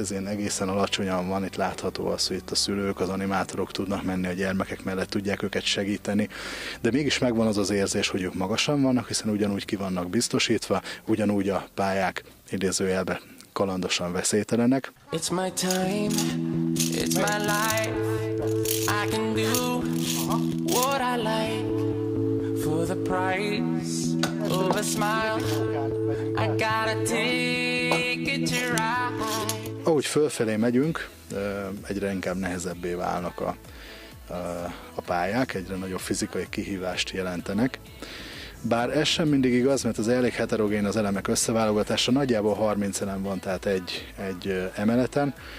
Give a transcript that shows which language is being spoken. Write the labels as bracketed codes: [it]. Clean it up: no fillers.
[hu] Ezért egészen alacsonyan van, itt látható az, hogy itt a szülők, az animátorok tudnak menni a gyermekek mellett, tudják őket segíteni. De mégis megvan az az érzés, hogy ők magasan vannak, hiszen ugyanúgy ki vannak biztosítva, ugyanúgy a pályák idézőjelben kalandosan veszélytelenek. [en] It's my time, it's my life, I can do what I like. The price of a smile, I gotta take it to ride. [hu] Ahogy fölfelé megyünk, egyre inkább nehezebbé válnak a pályák, egyre nagyobb fizikai kihívást jelentenek. Bár ez sem mindig igaz, mert az elég heterogén az elemek összeválogatása, nagyjából 30 elem van, tehát egy emeleten.